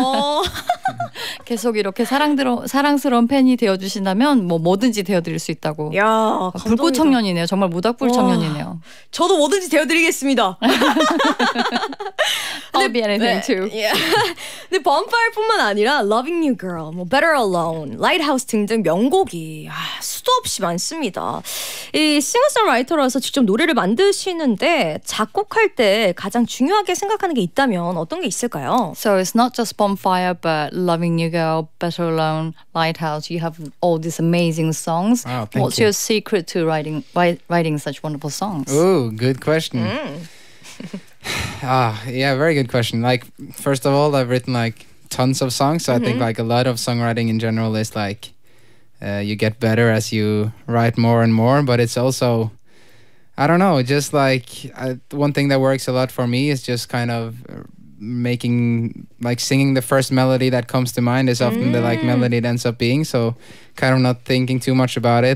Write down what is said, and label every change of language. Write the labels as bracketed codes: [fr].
[en] Oh. [ko] 계속 이렇게 사랑스러운 팬이 되어주신다면 뭐 뭐든지 되어드릴 수 있다고. 야, 불꽃 청년이네요. 정말 모닥불 청년이네요. 저도 뭐든지 되어드리겠습니다. [en] I'll be anything too. [ko] Yeah. 근데 bonfire뿐만 아니라 loving you, girl. 뭐 better. Alone, Lighthouse 등등 명곡이 수도 없이 많습니다. 이 싱어송라이터로서 직접 노래를 만드시는데 작곡할 때 가장 중요하게 생각하는 게 있다면 어떤 게 있을까요? [en] So it's not just Bonfire, but Loving You Girl, Better Alone, Lighthouse. You have all these amazing songs. Wow, thank What's you. your secret to writing such wonderful songs? Oh, good question. yeah, very good question. Like, first of all, I've written like tons of songs, so I think like a lot of songwriting in general is like you get better as you write more and more, but it's also I don't know, just like one thing that works a lot for me is just kind of making like singing the first melody that comes to mind is often the like melody it ends up being, so kind of not thinking too much about it.